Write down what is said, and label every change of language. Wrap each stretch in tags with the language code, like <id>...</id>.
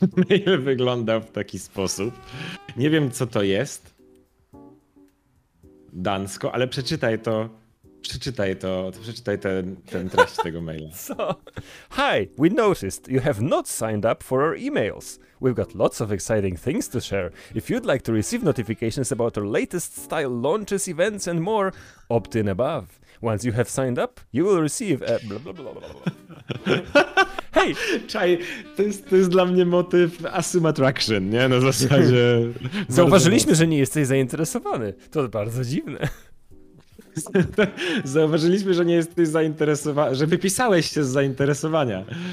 <pl>Mail wygląda w taki sposób. Nie wiem, co to jest. Dansko, ale przeczytaj to. Przeczytaj ten treść tego maila.</pl> <en>So, hi, we noticed you have not signed up for our emails. We've got lots of exciting things to share. If you'd like to receive notifications about our latest style launches, events and more, opt in above. Once you have signed up, you will receive a blah, blah, blah, blah, blah. Hey!</en> <pl>Czaj, to jest dla mnie motyw Assume Attraction, nie? Na zasadzie... Zauważyliśmy, że nie jesteś zainteresowany. To bardzo dziwne. Zauważyliśmy, że nie jesteś zainteresowany, że wypisałeś się z zainteresowania.</pl>